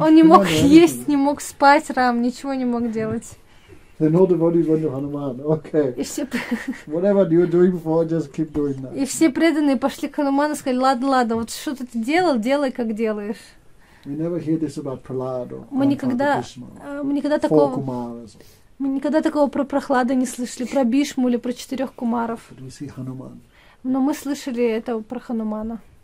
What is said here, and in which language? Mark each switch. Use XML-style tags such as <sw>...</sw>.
<ru>Он не мог есть, не мог спать, Рам, ничего не мог делать.</ru> <en>Then all the devotees went to Hanuman. Okay. Whatever you were doing before, just keep doing that.</en> <ru>И все преданные пошли к Хануману и сказали, ладно, ладно, вот что ты делал, делай, как делаешь.</ru> <en>We never hear this about Prahlad or Kumara.</en> <ru>Мы никогда такого про Прохлада не слышали, про Бишму или про четырех кумаров. Но мы слышали это про Ханумана.</ru>